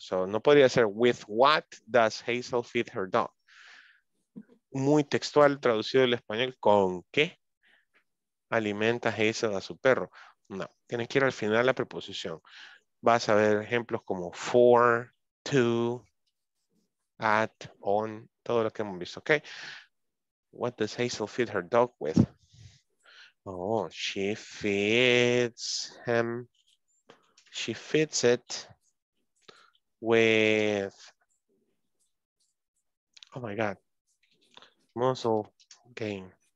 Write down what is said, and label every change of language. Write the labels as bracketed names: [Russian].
[English] So, [Spanish] no podría ser [English] with what does Hazel feed her dog. [Spanish] Muy textual, traducido del español, ¿con qué alimenta Hazel a su perro? No, tiene que ir al final la preposición. Vas a ver ejemplos como for, to, at, on, todo lo que hemos visto. [English] Okay. What does Hazel feed her dog with? Oh, she feeds it with, oh my God, muscle gain.